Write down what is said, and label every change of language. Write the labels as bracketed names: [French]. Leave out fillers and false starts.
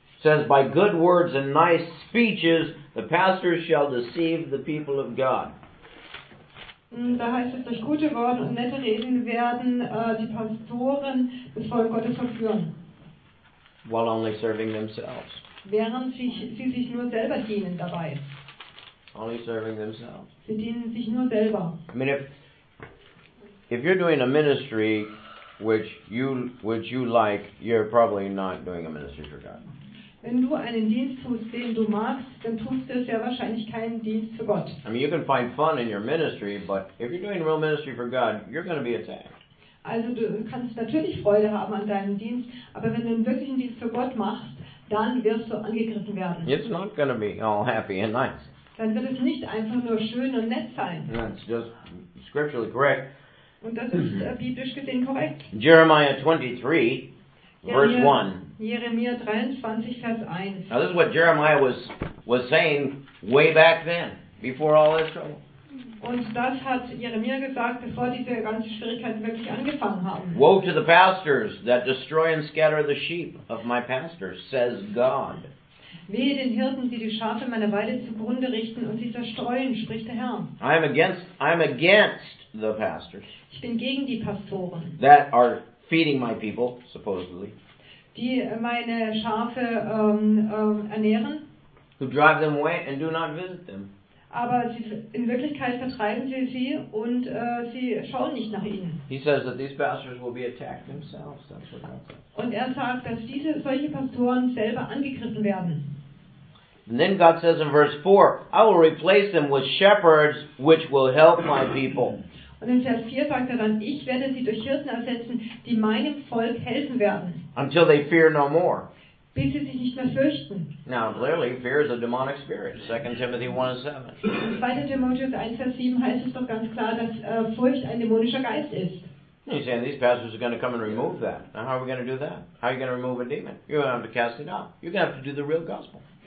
[English] Says by good words and nice speeches the pastors shall deceive the people of God. [German] Da heißt es, durch gute Worte und nette Reden werden die Pastoren das Volk Gottes verführen. [English] While only serving themselves. [German] Während sie sich nur selber dienen dabei. [English] Only serving themselves. [German] Sie dienen sich nur selber. [English] I mean, if you're doing a ministry which you like, you're probably not doing a ministry for God. [German] Wenn du einen Dienst tust, den du magst, dann tust du sehr wahrscheinlich keinen Dienst für Gott. [English] I mean, you can find fun in your ministry, but if you're doing real ministry for God, you're going to be attacked. [German] Also du kannst natürlich Freude haben an deinem Dienst, aber wenn du einen wirklichen Dienst für Gott machst, dann wirst du angegriffen werden. [English] It's not going to be all happy and nice. [German] Dann wird es nicht einfach nur schön und nett sein. [English] That's just scripturally correct. [German] Und das ist biblisch gesehen korrekt. [English] Jeremiah 23. Verse 1. [German] Jeremia 23, Vers 1. [English] Now this is what Jeremiah was saying way back then, before all this trouble. [German] Und das hat Jeremia gesagt, bevor diese ganzen Schwierigkeiten wirklich angefangen haben. [English] Woe to the pastors that destroy and scatter the sheep of my pastors, says God. [German] Wehe den Hirten, die Schafe meiner Weide zugrunde richten und sie zerstreuen, spricht der Herr. [English] I'm against the pastors. [German] Ich bin gegen die Pastoren. [English] That are feeding my people, supposedly. [German] Die meine Schafe ernähren. [English] Who drive them away and do not visit them. [German] Aber in Wirklichkeit vertreiben sie sie und sie schauen nicht nach ihnen. [English] He says that these pastors will be attacked themselves. That's what God says. [German] Und er sagt, dass solche Pastoren selber angegriffen werden. [English] And then God says in verse 4, I will replace them with shepherds which will help my people. [German] Und in Vers 4 sagt er dann, ich werde sie durch Hirten ersetzen, die meinem Volk helfen werden. [English] Until they fear no more. [German] Bis sie sich nicht mehr fürchten. [English] Now clearly, fear is a demonic spirit. 2 Timothy 1:7. [German] 2. Timotheus 1, Vers 7 heißt es doch ganz klar, dass Furcht ein dämonischer Geist ist. [English] He's saying these pastors are going to come and remove that. Now how are we going to do that? How are you going to remove a demon? You're going to have to cast it out. You're going to have to do the real gospel.